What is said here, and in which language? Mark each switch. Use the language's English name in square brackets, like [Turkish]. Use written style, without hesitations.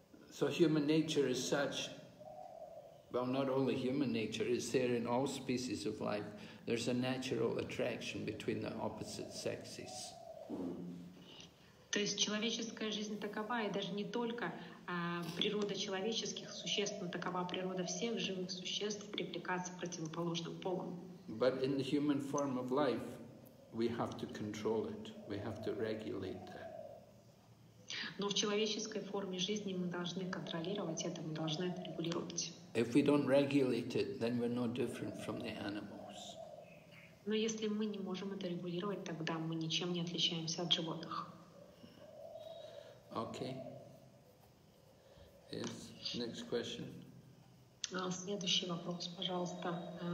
[English] So human nature is such, well, not only human nature, it's there in all species of life. There's a natural attraction between the opposite sexes. [Russian] То есть человеческая жизнь такова, и даже не только природа человеческих существ, но такова природа всех живых существ привлекаться противоположным полом. [English] But in the human form of life, we have to control it, we have to regulate that. [Russian] Но в человеческой форме жизни мы должны контролировать это, мы должны это регулировать. [English] If we don't regulate it, then we're no different from the animals. [Russian] Но если мы не можем это регулировать, тогда мы ничем не отличаемся от животных. [English] Okay. Yes. Next question. [Russian] Следующий вопрос, пожалуйста.